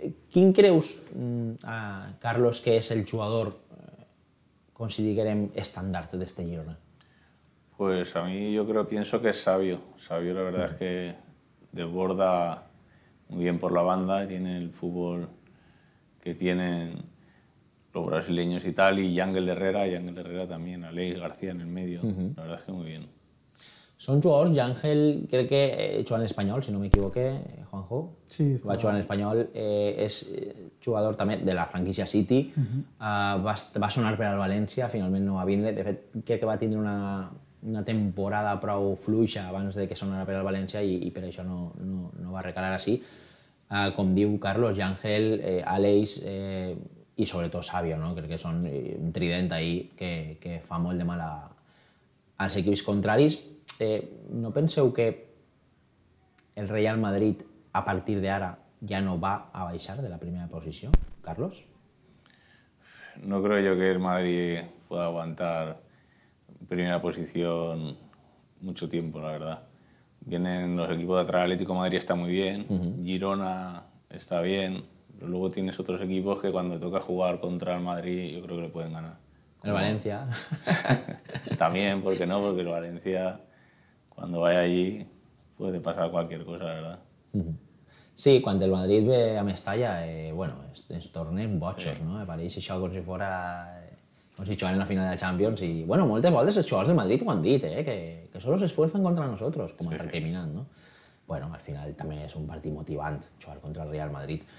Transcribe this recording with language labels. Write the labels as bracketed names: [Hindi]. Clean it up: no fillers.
[Catalan] Quin creus, Carlos, que és el jugador, com si diguem, estàndard d'este Girona? [Spanish] Pues a mí yo creo, pienso que es Savio. Savio la verdad es que desborda muy bien por la banda, tiene el fútbol que tienen los brasileños y tal, y Ángel Herrera también, Alex García en el medio, la verdad es que muy bien. Son jugadors, y Ángel creo que juega en Español, si no me equivoqué, Juanjo. Sí, [Catalan] va jugar en Español, [Spanish] es jugador también de la franquicia City, [Catalan] va sonar per al València, finalment no va vindre, de fet crec que va tindre una temporada prou fluixa abans de que sonara per al València i per això no va recalar així. Com diu Carlos, Ángel, Aleix i sobretot Savio, no? Crec que són un trident ahí que fa molt de mal als equips contraris. No penseu que el Real Madrid a partir d'ara ja no va a baixar de la primera posició, Carlos? [Spanish] No creo yo que el Madrid pueda aguantar primera posición mucho tiempo, la verdad. Vienen los equipos de atrás, Atlético Madrid está muy bien, Girona está bien, pero luego tienes otros equipos que cuando toca jugar contra el Madrid yo creo que le pueden ganar. ¿Cómo? El Valencia. También, ¿por qué no? Porque el Valencia cuando vaya allí puede pasar cualquier cosa, la verdad. [Catalan] Sí, quan el Madrid ve a Mestalla, bueno, es tornen boixos, no? Pareix això com si fora, com si jugaran a la final de la Champions i, bueno, moltes vegades els jugadors del Madrid ho han dit, [Spanish] que solo se esfuerzan contra nosotros, [Catalan] com a recriminant, no? Bueno, al final també és un partit motivant jugar contra el Real Madrid.